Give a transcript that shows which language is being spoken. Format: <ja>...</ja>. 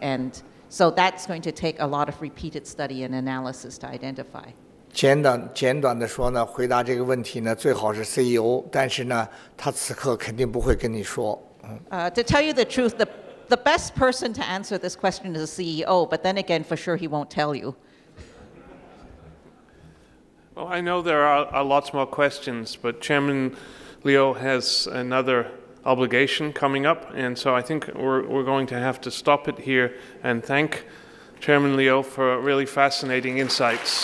<en>And so that's going to take a lot of repeated study and analysis to identify.</en> <zh>简短的说呢，回答这个问题呢，最好是 CEO， 但是呢，他此刻肯定不会跟你说。</zh> <en>To tell you the truth, the best person to answer this question is a CEO, but then again, for sure, he won't tell you. Well, I know there are lots more questions, but Chairman Liu has another obligation coming up, and so I think we're going to have to stop it here and thank Chairman Liu for really fascinating insights.</en>